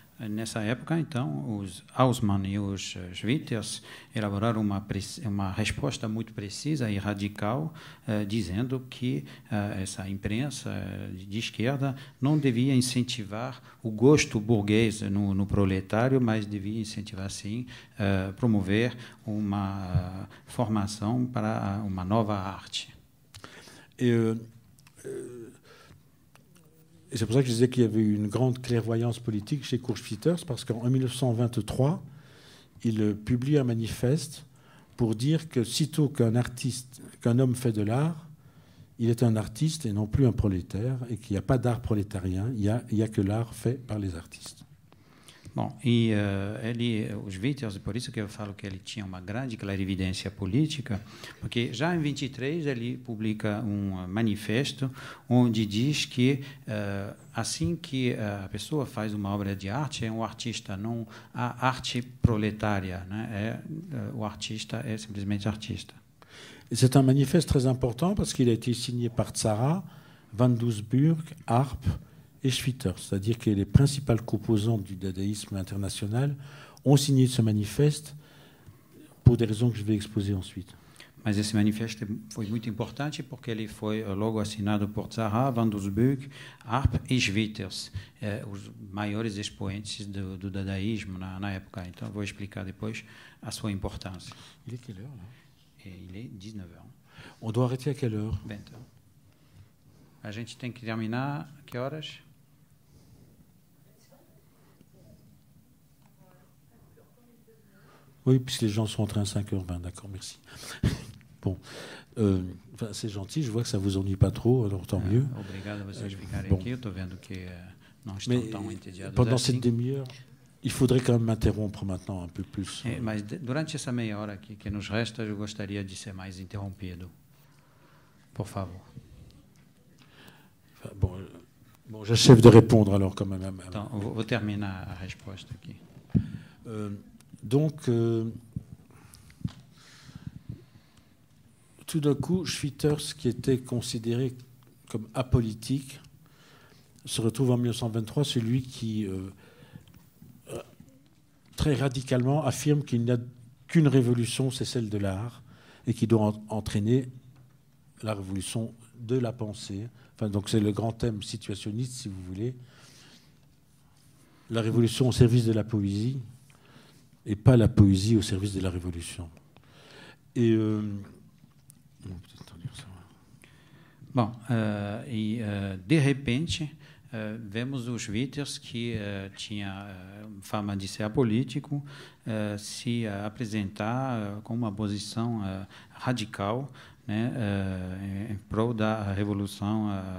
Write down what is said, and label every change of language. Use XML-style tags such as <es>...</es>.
<pt>Nessa época, então, os Haussmann e os Schwitters elaboraram uma resposta muito precisa e radical, dizendo que essa imprensa de esquerda não devia incentivar o gosto burguês no proletário, mas devia incentivar, sim, promover uma formação para uma nova arte.</pt> <fr>Et c'est pour ça que je disais qu'il y avait eu une grande clairvoyance politique chez Kurt Schwitters, parce qu'en 1923, il publie un manifeste pour dire que sitôt qu'un homme fait de l'art, il est un artiste et non plus un prolétaire, et qu'il n'y a pas d'art prolétarien, il n'y a que l'art fait par les artistes.</fr> <pt>Bom, e ele, os Schwitters, por isso que eu falo que ele tinha uma grande clarividência política, porque já em 23 ele publica um manifesto onde diz que assim que a pessoa faz uma obra de arte, é um artista, não a arte proletária, né? O artista é simplesmente artista.</pt> <fr>É um manifesto très important parce qu'il a été signé par Zara, Van Doesburg, Arp et Schwitters, c'est-à-dire que les principales composantes du dadaïsme international ont signé ce manifeste pour des raisons que je vais exposer ensuite.</fr> <pt>Mais ce manifeste foi muito importante porque ele foi logo assinado por Zara, Van Doesburg, Arp e Schwitters, os maiores expoentes do dadaísmo na época. Então vou explicar depois a sua importância.</pt> <fr>Il est quelle heure là? Il est 19h. On doit arrêter à quelle heure? 20h.</fr> <pt>A gente tem que terminar que horas?</pt> <fr>Oui, puisque les gens sont en train à 5h20, d'accord, merci. Bon, c'est gentil, je vois que ça ne vous ennuie pas trop, alors tant mieux.</fr> <pt>Obrigado a vocês ficarem aqui, eu estou vendo que não estão tão entediados.</pt> <fr>Pendant cette demi-heure, il faudrait quand même m'interrompre maintenant un peu plus.</fr> <pt>Mas durante essa meia hora aqui que nos resta, eu gostaria de ser mais interrompido. Por favor.</pt> <fr>Enfin, bon, Bon, j'achève de répondre alors quand même. Attends, vous terminez la réponse. Okay. Tout d'un coup, Schwitters, qui était considéré comme apolitique, se retrouve en 1923, celui qui très radicalement affirme qu'il n'y a qu'une révolution, c'est celle de l'art, et qui doit entraîner la révolution de la pensée. Enfin, donc c'est le grand thème situationniste, si vous voulez. La révolution au service de la poésie, et pas la poésie au service de la révolution.</fr> <pt>Et bon, et de repente, vemos o Schwitters, que tinha fama de ser apolítico, se apresentar com uma posição radical, né, em prol da revolução,</pt>